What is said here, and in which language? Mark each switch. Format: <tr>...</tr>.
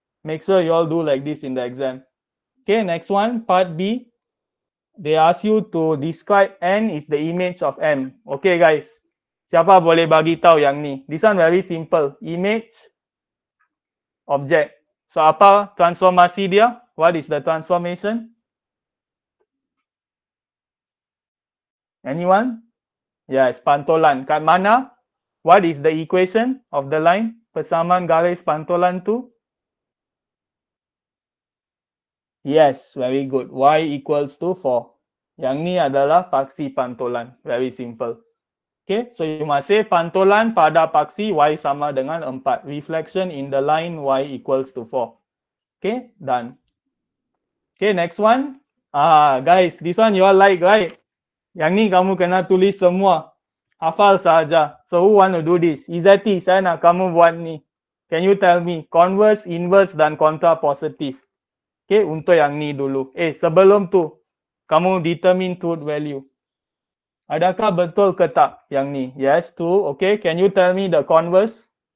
<en>Make sure you all do like this in the exam. Okay, next one, part B. They ask you to describe N is the image of M. Okay guys.</en> <ms>Siapa boleh bagi tahu yang ni?</ms> <en>This one very simple. Image, object. So,</en> <ms>apa transformasi dia?</ms> <en>What is the transformation? Anyone? Yes, pantulan.</en> <ms>Kat mana?</ms> <en>What is the equation of the line?</en> <ms>Persamaan garis pantulan tu?</ms> <en>Yes, very good. Y equals to 4.</en> <ms>Yang ni adalah paksi pantulan.</ms> <en>Very simple. Okay, so you must say</en> <ms>pantulan pada paksi y sama dengan 4.</ms> <en>Reflection in the line y equals to 4. Okay, done. Okay, next one. Ah, guys, this one you all like, right?</en> <ms>Yang ni kamu kena tulis semua. Hafal sahaja.</ms> <en>So who want to do this?</en> <ms>Izati, saya nak kamu buat ni.</ms> <en>Can you tell me? Converse, inverse dan kontra positif.</en> <ms>Okay, untuk yang ni dulu. Eh, sebelum tu, kamu</ms> <en>determine truth value.</en> <ms>Adakah betul ke tak yang ni?</ms> <en>Yes, true. Okay, can you tell me the converse?</en>